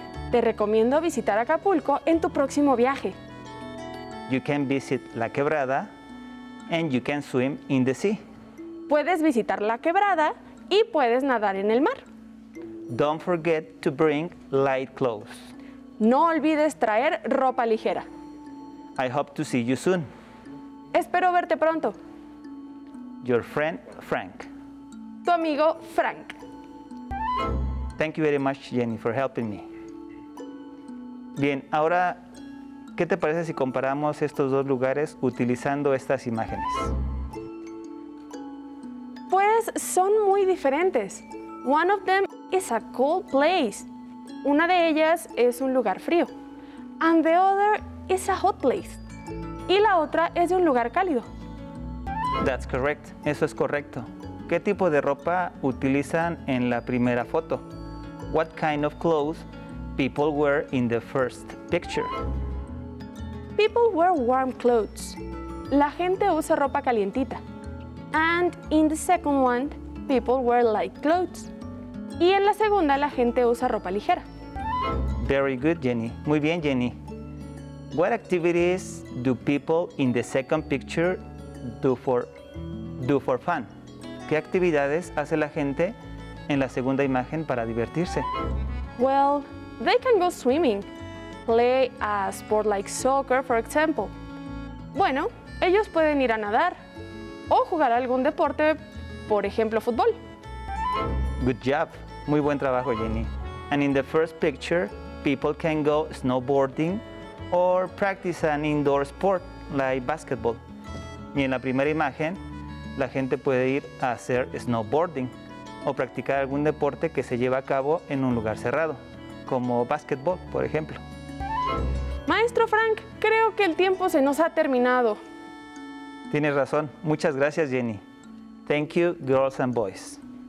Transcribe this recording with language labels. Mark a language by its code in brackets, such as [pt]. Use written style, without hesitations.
[es] Te recomiendo visitar Acapulco en tu próximo viaje. [en] You can visit La Quebrada and you can swim in the sea. [es] Puedes visitar La Quebrada y puedes nadar en el mar. [en] Don't forget to bring light clothes. [es] No olvides traer ropa ligera. [en] I hope to see you soon. [es] Espero verte pronto. [en] Your friend Frank. [es] Tu amigo Frank. [en] Thank you very much, Jenny, for helping me. [es] Bien, ahora, ¿qué te parece si comparamos estos dos lugares utilizando estas imágenes? Pues son muy diferentes. [en] One of them is a cold place. [es] Una de ellas es un lugar frío. [en] And the other is a hot place. [es] Y la otra es de un lugar cálido. [en] That's correct. [es] Eso es correcto. ¿Qué tipo de ropa utilizan en la primera foto? [en] What kind of clothes people wear in the first picture? People wear warm clothes. [es] La gente usa ropa calientita. [en] And in the second one, people wear light clothes. [es] Y en la segunda, la gente usa ropa ligera. [en] Very good, Jenny. [es] Muy bien, Jenny. [en] What activities do people in the second picture do for fun? [es] ¿Qué actividades hace la gente en la segunda imagen para divertirse? [en] Well, they can go swimming, play a sport like soccer, for example. [es] Bueno, ellos pueden ir a nadar o jugar algún deporte, por ejemplo, fútbol. [en] Good job. [es] Muy buen trabajo, Jenny. [en] And in the first picture, people can go snowboarding or practice an indoor sport like basketball. [es] Y en la primera imagen, la gente puede ir a hacer snowboarding o practicar algún deporte que se lleva a cabo en un lugar cerrado, como basketball, por ejemplo. Maestro Frank, creo que el tiempo se nos ha terminado. Tienes razón. Muchas gracias, Jenny. [en] Thank you, girls and boys.